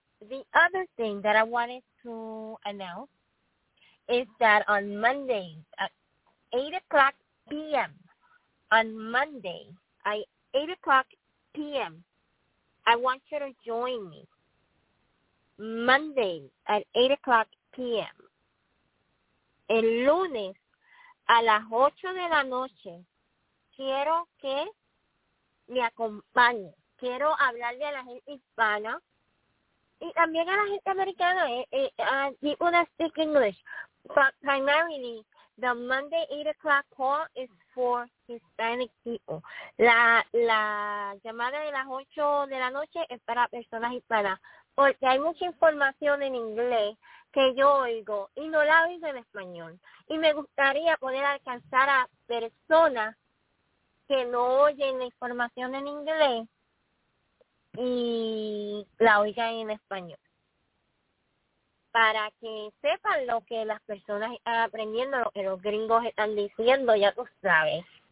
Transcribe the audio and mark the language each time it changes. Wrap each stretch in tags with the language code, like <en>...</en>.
<en>The other thing that I wanted to announce is that on Mondays at 8 o'clock p.m., on Monday, 8 o'clock p.m., I want you to join me Monday at 8 o'clock p.m.</en> <es>El lunes a las 8 de la noche, quiero que me acompañe. Quiero hablarle a la gente hispana y también a la gente americana.</es> <en>People that speak English, but primarily the Monday 8 o'clock call is for Hispanic people.</en> <es>La llamada de las 8 de la noche es para personas hispanas, porque hay mucha información en inglés que yo oigo y no la oigo en español. Y me gustaría poder alcanzar a personas que no oyen la información en inglés y la oigan en español, para que sepan lo que las personas están aprendiendo, lo que los gringos están diciendo, ya tú sabes.</es>